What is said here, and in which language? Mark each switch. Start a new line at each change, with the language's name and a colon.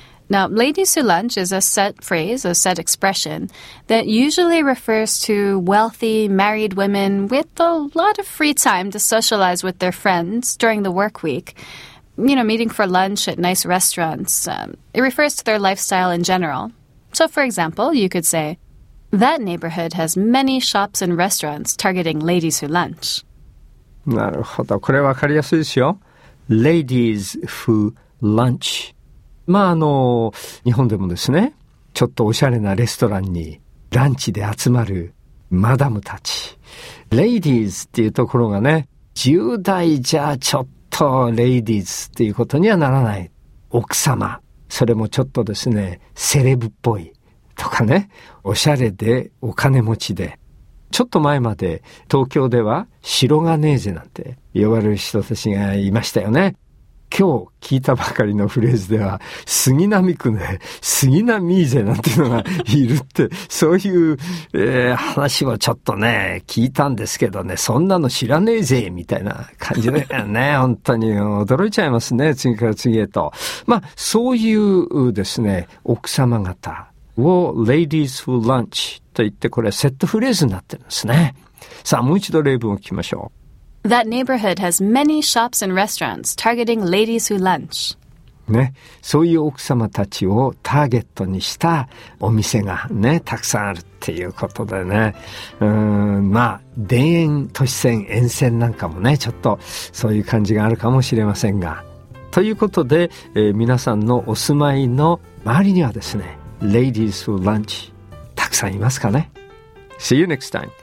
English: Now, 레이디 수 lunch is a set phrase, a set expression, that usually refers to wealthy married women with a lot of free time to socialize with their friends during the work week. You know, meeting for lunch at nice restaurants. It refers to their lifestyle in general. So, for example, you could say, that neighborhood has many shops and restaurants targeting ladies who lunch.
Japanese: なるほど。これわかりやすいですよ。
English: Ladies who lunch.
Japanese: まあ、日本でもですね、ちょっとおしゃれなレストランにランチで集まるマダムたち。 Ladies っていうところがね、10代じゃちょっと ladies っていうことにはならない。奥様。それもちょっとですね、セレブっぽい。とかね、おしゃれでお金持ちで。ちょっと前まで東京では白ガネーゼなんて呼ばれる人たちがいましたよね。今日聞いたばかりのフレーズでは杉並区ね、杉並ーゼなんていうのがいるって、そういう、話をちょっとね、聞いたんですけどね、そんなの知らねえぜ、みたいな感じだよね。本当に驚いちゃいますね、次から次へと。まあ、そういうですね、奥様方。を
English: ladies who lunch
Japanese: と言ってこれセットフレーズになってるんですね。さあもう一度例文を聞きましょう。
English: That neighborhood has many shops and restaurants targeting ladies who lunch.
Japanese: ね、そういう奥様たちをターゲットにしたお店がね、たくさんあるっていうことでね。まあ、田園都市線、沿線なんかもね、ちょっとそういう感じがあるかもしれませんが。ということで、皆さんのお住まいの周りにはですね、
English: Ladies for lunch.
Japanese: たくさんいますかね?
English: See you next time.